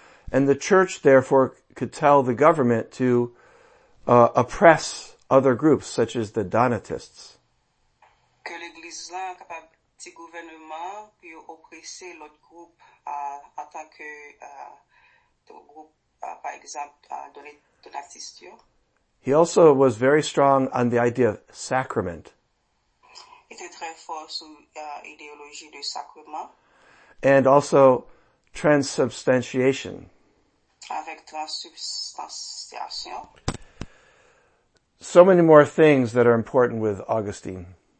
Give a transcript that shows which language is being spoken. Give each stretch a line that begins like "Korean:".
English: And the church, therefore, could tell the government to oppress other groups, such as the Donatists.
French: Que l'église là est capable du gouvernement puis oppresser l'autre groupe en tant que groupe, par exemple, Donatistes.
English: He also was very strong on the idea of sacrament.
French: Il était très fort sur l'idéologie du sacrement.
English: And also transubstantiation.
French: Avec transubstantiation.
English: So many more things that are important with Augustine.